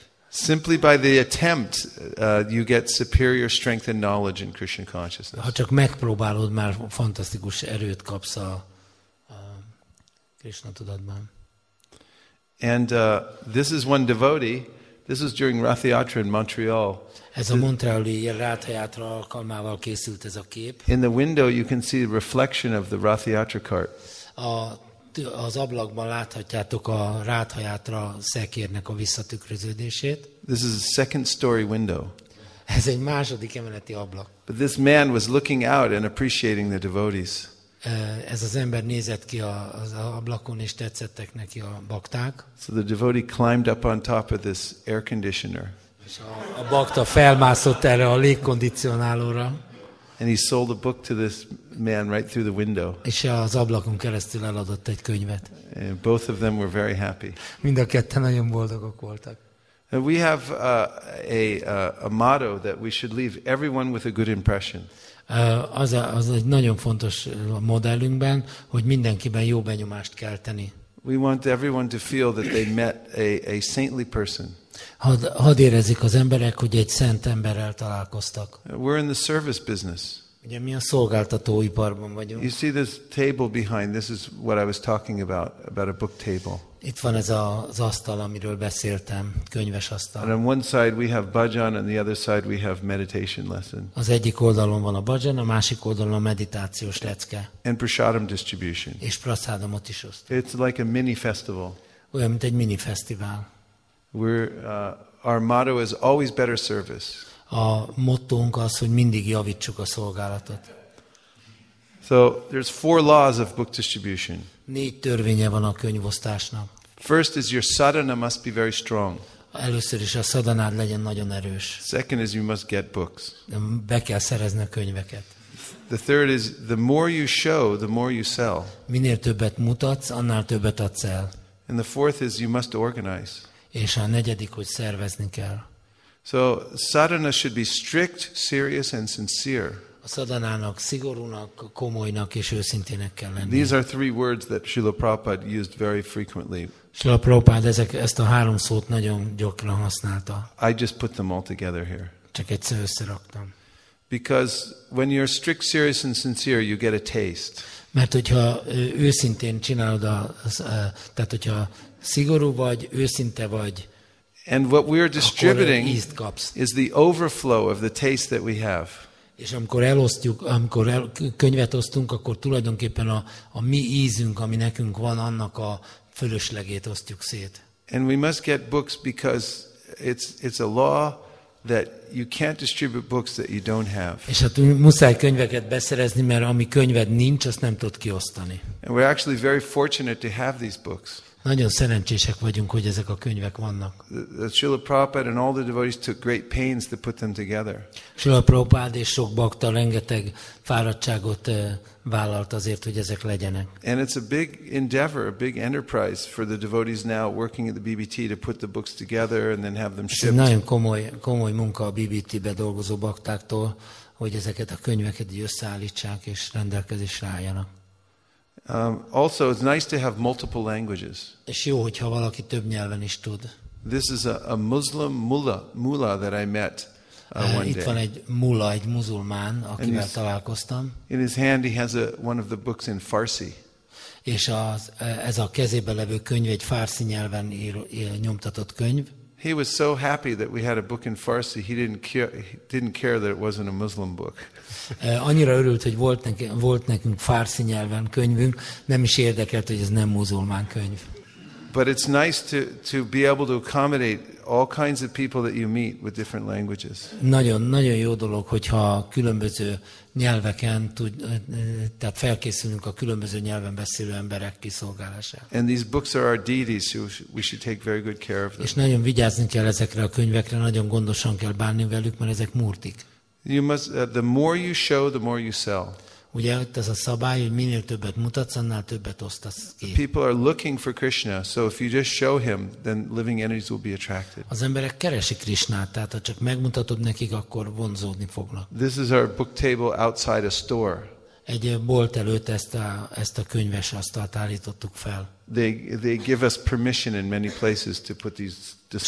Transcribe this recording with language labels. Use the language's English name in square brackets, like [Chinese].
[English] Simply by the attempt, you get superior strength and knowledge in Krishna consciousness. [Hungarian] Ha csak megpróbálod, már fantasztikus erőt kapsz a Krishna tudatban. [English] And this is one devotee. This is during Ratha Yatra in Montreal. [Hungarian] Ez a montreali Ratha Yatra alkalmával készült ez a kép. [English] In the window you can see the reflection of the Ratha Yatra cart. [Hungarian] Az ablakban láthatjátok a Ratha Yatra szekérnek a visszatükröződését. [English] This is a second story window. [Hungarian] Ez egy második emeleti ablak. [English] But this man was looking out and appreciating the devotees. [Hungarian] Ez az ember nézett ki az ablakon, és tetszettek neki a bakták. [English] So the devotee climbed up on top of this air conditioner. [Hungarian] És a bakta felmászott erre a légkondicionálóra. [English] And he sold a book to this man right through the window. [Hungarian] És az ablakon keresztül eladott egy könyvet. [English] And both of them were very happy. [Hungarian] Mind a ketten nagyon boldogok voltak. [English] And we have a motto that we should leave everyone with a good impression. [Hungarian] Az egy nagyon fontos modellünkben, hogy mindenkiben jó benyomást kelteni. [English] We want everyone to feel that they met a saintly person. [Hungarian] Hadd érezzék az emberek, hogy egy szent emberrel találkoztak. [English] We're in the service business. [Hungarian] Ugye mi a szolgáltatóiparban vagyunk. [English] You see this table behind, this is what I was talking about a book table. [Hungarian] Itt van ez az asztal, amiről beszéltem, könyves asztal. [English] And on one side we have bhajan, on the other side we have meditation lesson. [Hungarian] Az egyik oldalon van a bhajan, a másik oldalon a meditációs lecke. [English] And prasadam distribution. [Hungarian] És prasadamot is oszt. [English] It's like a mini festival. [Hungarian] Olyan, mint egy mini fesztivál. [English] Our motto is always better service. [Hungarian] A mottónk az, hogy mindig javítsuk a szolgálatot. [English] So there's 4 laws of book distribution. [Hungarian] 4 törvénye van a könyvosztásnak. [English] First is your sadhana must be very strong. [Hungarian] Először is a sadhanád legyen nagyon erős. [English] Second is you must get books. [Hungarian] Be kell szerezni a könyveket. [English] The third is the more you show, the more you sell. [Hungarian] Minél többet mutatsz, annál többet adsz el. [English] And the fourth is you must organize. [Hungarian] És a negyedik, hogy szervezni kell. [English] So sadhana should be strict, serious and sincere. [Hungarian] A szadanának, szigorúnak, komolynak és őszintének kell lenni. [English] These are 3 words that Srila Prabhupada used very frequently. [Hungarian] Srila Prabhupada ezt a 3 szót nagyon gyakran használta. [English] I just put them all together here. [Hungarian] Csak egyszer összeraktam. [English] Because when you're strict, serious and sincere, you get a taste. [Hungarian] Mert hogyha őszintén csinálod, tehát hogyha szigorú vagy, őszinte vagy, [English] and what we are distributing is the overflow of the taste that we have. [Hungarian] És amikor elosztjuk, amikor könyvet osztunk, akkor tulajdonképpen a mi ízünk, ami nekünk van, annak a fölöslegét osztjuk szét. [English] And we must get books because it's a law that you can't distribute books that you don't have. [Hungarian] És hát muszáj könyveket beszerezni, mert ami könyved nincs, azt nem tud kiosztani. [English] And we're actually very fortunate to have these books. [Hungarian] Nagyon szerencsések vagyunk, hogy ezek a könyvek vannak. [English] Srila Prabhupada and all the devotees took great pains to put them together. [Hungarian] Srila Prabhupada és sok bhakta rengeteg fáradtságot vállalt azért, hogy ezek legyenek. [English] And it's a big endeavor, a big enterprise for the devotees now working at the BBT to put the books together and then have them shipped. [Hungarian] Ez nagyon komoly munka a BBT-be dolgozó baktáktól, hogy ezeket a könyveket összeállítsák és rendelkezésre álljanak. [English] Also it's nice to have multiple languages. [Hungarian] És jó, hogyha valaki több nyelven is tud. [English] This is a Muslim mullah that I met one day. [Hungarian] Itt van egy mulla, egy muzulmán, akivel találkoztam. [English] In his hand he has one of the books in Farsi. [Hungarian] És ez a kezébe levő könyv egy farsi nyelven nyomtatott könyv. [English] He was so happy that we had a book in Farsi. He didn't care that it wasn't a Muslim book. [Hungarian] Annyira örült, hogy volt nekünk farsi nyelven könyvünk, nem is érdekelt, hogy ez nem muzulmán könyv. [English] But it's nice to be able to accommodate all kinds of people that you meet with different languages. [Hungarian] Nagyon nagyon jó dolog, hogyha különböző nyelveken tehát felkészülünk a különböző nyelven beszélő emberek kiszolgálására. [English] And these books are our deities, so we should take very good care of them. [Hungarian] És nagyon vigyázni kell ezekre a könyvekre, nagyon gondosan kell bánni velük, mert ezek murtik. [English] The more you show, the more you sell. [Hungarian] Ugye itt az a szabály, hogy minél többet mutatsz, annál többet osztasz ki. [English] People are looking for Krishna, so if you just show him, then living energies will be attracted. [Hungarian] Az emberek keresik Krishnát, tehát ha csak megmutatod nekik, akkor vonzódni fognak. [English] This is our book table outside a store. [Hungarian] Egy bolt előtt ezt a könyves asztalt állítottuk fel. [English] They give us permission in many places to put these displays.